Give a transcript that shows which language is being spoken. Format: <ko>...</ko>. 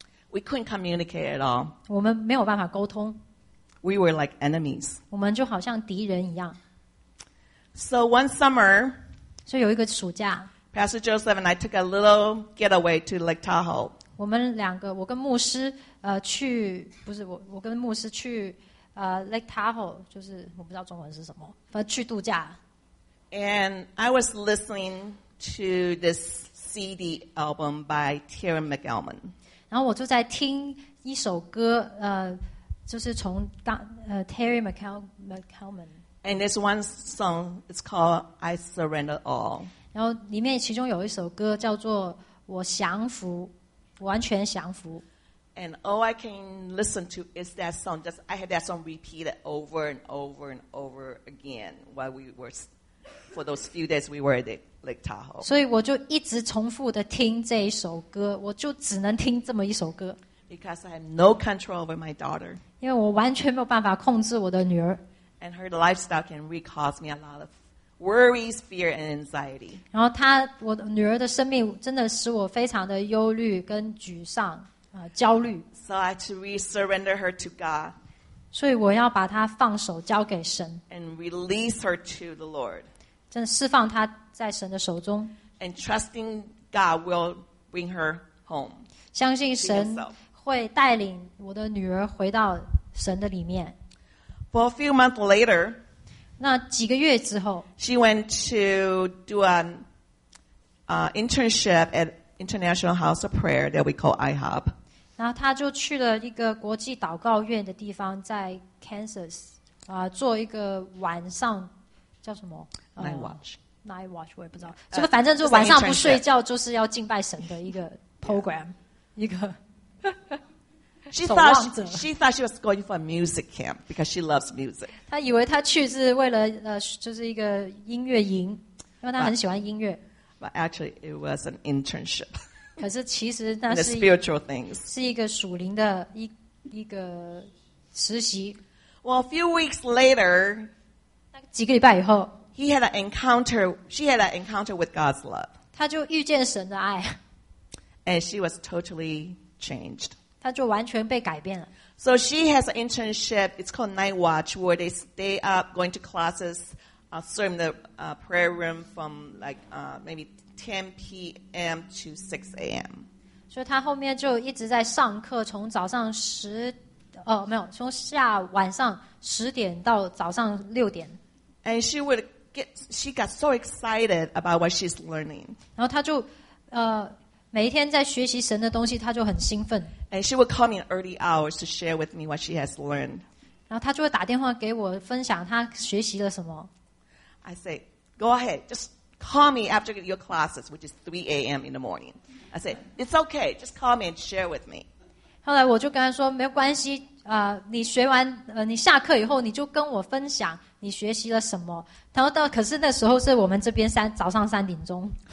<en>We couldn't communicate at all.</en> <zh>我们没有办法沟通。</zh> <en>We were like enemies.</en> <zh>我们就好像敌人一样。</zh> <en>So one summer,</en> <zh>所以有一个暑假,</zh> <en>Pastor Joseph and I took a little getaway to Lake Tahoe.</en> <zh>我们两个，我跟牧师去，不是我，我跟牧师去 Lake Tahoe, 就是我不知道中文是什么，反正去度假。</zh> <en>And I was listening to this CD album by Taryn McAlmon.</en> <zh>然后我就在听一首歌，就是从Taryn McAlmon.</zh> <en>And this one song is called "I Surrender All."</en> <zh>然后里面其中有一首歌叫做《我降服》，完全降服。</zh> <en>And all I can listen to is that song. Just I had that song repeated over and over and over again while we were for those few days we were at Lake Tahoe.</en> <zh>所以我就一直重复的听这一首歌，我就只能听这么一首歌。</zh> <en>Because I have no control over my daughter.</en> <zh>因为我完全没有办法控制我的女儿。</zh> <en>And her lifestyle can really cause me a lot of worries, fear, and anxiety.</en> <zh>然后她我女儿的生命真的使我非常的忧虑跟沮丧。焦虑。</zh> <en>So I had to re-surrender her to God.</en> <zh>所以我要把她放手交给神。</zh> <en>And release her to the Lord.</en> <zh>真的释放她在神的手中。</zh> <en>And trusting God will bring her home.</en> <zh>相信神会带领我的女儿回到神的里面。</zh> <en>For a few months later,</en> <zh>那几个月之后</zh> <en>she went to do an internship at International House of Prayer that we call IHOP.</en> <zh>然后他就去了一个国际祷告院的地方，在 Kansas 啊，做一个晚上叫什么</zh> <en>Night Watch.</en> <zh>Night Watch 我也不知道，这个反正就晚上不睡觉，就是要敬拜神的一个 program， 一个。</zh> <en>She thought she was going for a music camp because she loves music.</en> <zh>她以为她去是为了就是一个音乐营，因为她很喜欢音乐。</zh> <en>But actually, it was an internship.</en> <zh>可是其实那是</zh> <en>the spiritual things</en> <zh>是一个属灵的一个实习。</zh> <en>Well, a few weeks later,</en> <zh>几个礼拜以后</zh> <en>he had an encounter. She had an encounter with God's love.</en> <zh>他就遇见神的爱。</zh> <en>And she was totally changed.</en> <zh>他就完全被改变了。</zh> <en>So she has an internship. It's called Night Watch, where they stay up going to classes. Serve in the prayer room from like maybe 10 p.m. to 6 a.m.</en> <zh>所以他后面就一直在上课，从早上十哦没有，从下晚上十点到早上六点。</zh> <en>And she got so excited about what she's learning.</en> <zh>然后他就每一天在学习神的东西，他就很兴奋。</zh> <en>And she would call me in early hours to share with me what she has learned.</en> <zh>然后他就会打电话给我分享他学习了什么。</zh> <en>I say, go ahead, just call me after your classes, which is 3 a.m. in the morning. I say, it's okay, just call me and share with me.</en> <zh>后来我就跟他说，没有关系，你学完，你下课以后，你就跟我分享你学习了什么。然后到，可是那时候是我们这边早上三点钟。</zh>